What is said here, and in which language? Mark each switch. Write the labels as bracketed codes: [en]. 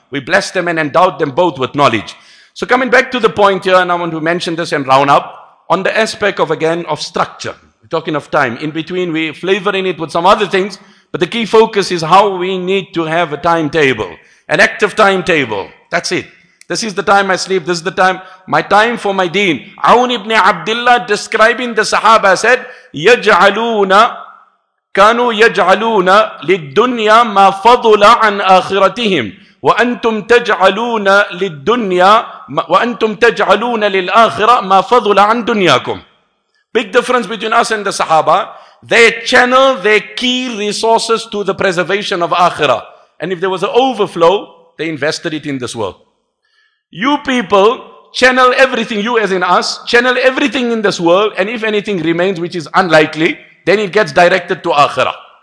[en] We blessed them and endowed them both with knowledge. So coming back to the point here, and I want to mention this and round up, on the aspect of, again, of structure. We're talking of time. In between, we're flavoring it with some other things, but the key focus is how we need to have a timetable, an active timetable. That's it. This is the time I sleep. This is the time, my time for my deen. Aun ibn Abdullah, describing the Sahaba, said, [ar] يَجْعَلُونَ كَانُوا يَجْعَلُونَ لِلدُّنْيَا مَا فَضُلَ عَنْ آخِرَتِهِمْ وَأَنْتُمْ تَجْعَلُونَ لِلدُّنْيَا وَأَنْتُمْ تَجْعَلُونَ لِلْآخِرَةِ مَا فَضُلَ عَنْ دُنْيَاكُمْ. [en] Big difference between us and the Sahaba. They channel their key resources to the preservation of Akhirah. And if there was an overflow, they invested it in this world. You people channel everything, you as in us, channel everything in this world, and if anything remains, which is unlikely, then it gets directed to Akhirah.